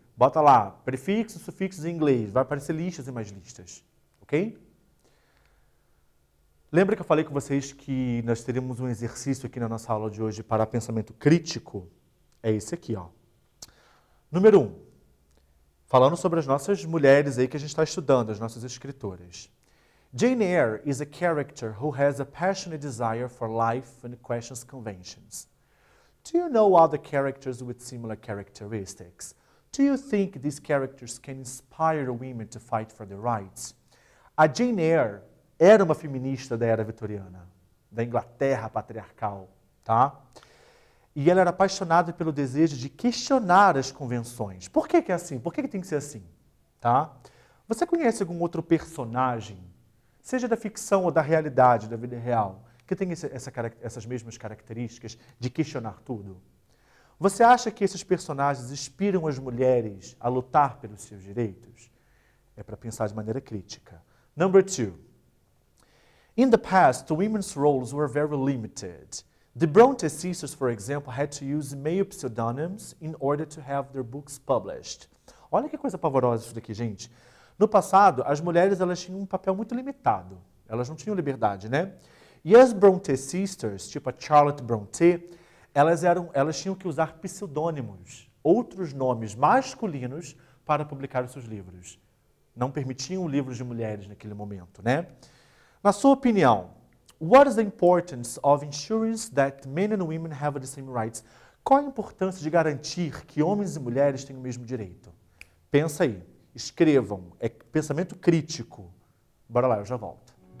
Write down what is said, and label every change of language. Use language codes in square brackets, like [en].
[pt] Bota lá, prefixo, sufixo em inglês. Vai aparecer listas e mais listas. Ok? Lembra que eu falei com vocês que nós teríamos um exercício aqui na nossa aula de hoje para pensamento crítico? É esse aqui, ó. Número 1. Falando sobre as nossas mulheres aí que a gente está estudando, as nossas escritoras. [en] Jane Eyre is a character who has a passionate desire for life and questions conventions. Do you know other characters with similar characteristics? Do you think these characters can inspire women to fight for their rights? [pt] A Jane Eyre era uma feminista da era vitoriana, da Inglaterra patriarcal, tá? E ela era apaixonada pelo desejo de questionar as convenções. Por que que é assim? Por que que tem que ser assim? Tá? Você conhece algum outro personagem, seja da ficção ou da realidade, da vida real, que tem essas mesmas características de questionar tudo? Você acha que esses personagens inspiram as mulheres a lutar pelos seus direitos? É para pensar de maneira crítica. [en] Number 2. In the past, women's roles were very limited. The Bronte sisters, for example, had to use male pseudonyms in order to have their books published. [pt] Olha que coisa pavorosa isso daqui, gente. No passado, as mulheres elas tinham um papel muito limitado. Elas não tinham liberdade, né? E as Bronte sisters, tipo a Charlotte Bronte, elas tinham que usar pseudônimos, outros nomes masculinos, para publicar os seus livros. Não permitiam livros de mulheres naquele momento, né? Na sua opinião, [en] what is the importance of ensuring that men and women have the same rights? [pt] Qual a importância de garantir que homens e mulheres tenham o mesmo direito? Pensa aí, escrevam, é pensamento crítico. Bora lá, eu já volto.